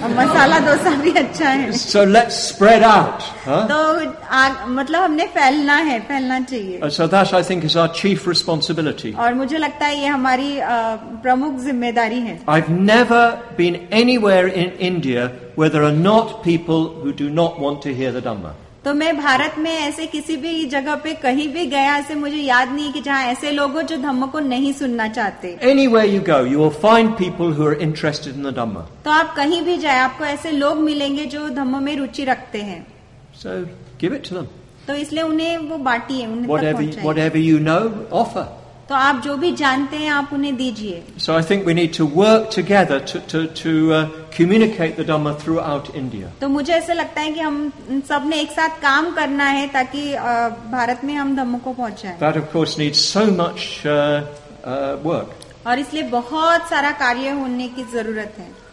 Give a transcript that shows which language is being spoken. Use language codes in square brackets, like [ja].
[hi] मसाला डोसा भी अच्छा है. [en] So let's spread out. [hi] तो मतलब हमने फैलना चाहिए. [en] So that I think is our chief responsibility. [hi] और मुझे लगता है ये हमारी प्रमुख जिम्मेदारी है. [en] I've never been anywhere in India where there are not people who do not want to hear the Dhamma. [hi] तो मैं भारत में ऐसे किसी भी जगह पे कहीं भी गया ऐसे मुझे याद नहीं कि जहाँ ऐसे लोग हो जो धम्म को नहीं सुनना चाहते. [en] Anywhere you go, you will find people who are interested in the Dhamma. [hi] तो आप कहीं भी जाए आपको ऐसे लोग मिलेंगे जो धम्म में रुचि रखते हैं. [en] So give it to them. [hi] तो इसलिए उन्हें वो बांटिए, उन्हें [en] whatever you know, offer. [hi] तो आप जो भी जानते हैं आप उन्हें दीजिए. [en] So I think we need to work together to communicate the Dhamma throughout India. [hi] तो मुझे ऐसे लगता है कि हम सबने एक साथ काम करना है ताकि भारत में हम धम्म को पहुंचाएं. [en] That of course needs so much work. [hi] और इसलिए बहुत सारा कार्य होने की जरूरत है.